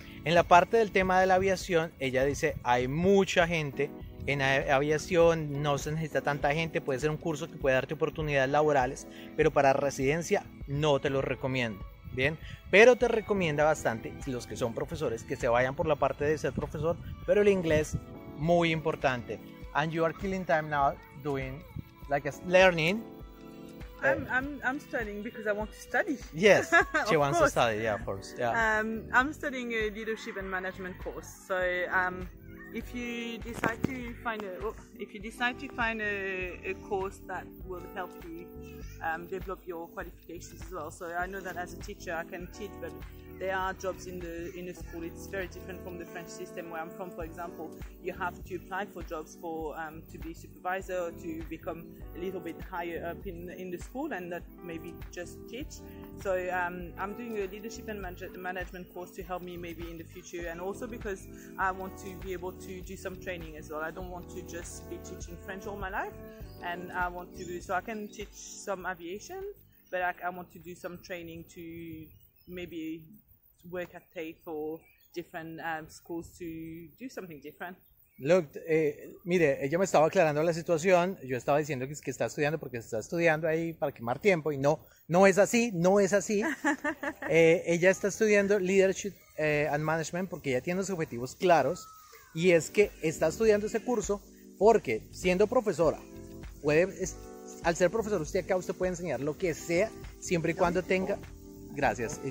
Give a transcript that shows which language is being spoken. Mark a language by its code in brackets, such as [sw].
[es] En la parte del tema de la aviación, ella dice, hay mucha gente en aviación, no se necesita tanta gente, puede ser un curso que puede darte oportunidades laborales, pero para residencia no te lo recomiendo. Bien, pero te recomienda bastante los que son profesores que se vayan por la parte de ser profesor, pero el inglés muy importante. [en] And you are killing time now doing like a learning. I'm studying because I want to study. Yes, she Of wants to course. study. Yeah, of course. Yeah. I'm studying a leadership and management course. So, if you decide to find a if you decide to find a course that will help you develop your qualifications as well. So I know that as a teacher I can teach, but there are jobs in the school. It's very different from the French system where I'm from. For example, you have to apply for jobs for to be supervisor or to become a little bit higher up in the school, and that maybe just teach. So I'm doing a leadership and management course to help me maybe in the future, and also because I want to be able to do some training as well. I don't want to just be teaching French all my life, and I want to do, so I can teach some aviation, but I want to do some training to maybe work at TAFE or different schools to do something different. Look, [es] mire, ella me estaba aclarando la situación. Yo estaba diciendo que es que está estudiando porque está estudiando ahí para quemar tiempo y no, no es así, no es así. Ella está estudiando Leadership and Management porque ella tiene los objetivos claros y es que está estudiando ese curso porque siendo profesora, puede, al ser profesor usted acá usted puede enseñar lo que sea siempre y cuando tenga. Gracias.